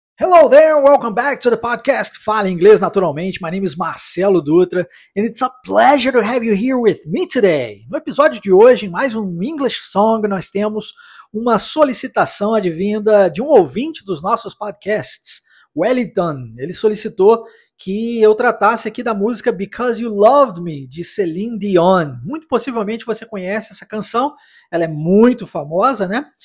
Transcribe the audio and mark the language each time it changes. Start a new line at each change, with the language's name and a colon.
English: Hello there, welcome back to the podcast Fale Inglês Naturalmente. My name is Marcelo Dutra, and it's a pleasure to have you here with me today.
Portuguese: No episódio de hoje, em mais um English Song, nós temos uma solicitação advinda de um ouvinte dos nossos podcasts, Wellington. Ele solicitou que eu tratasse aqui da música Because You Loved Me, de Celine Dion. Muito possivelmente você conhece essa canção, ela é muito famosa, né?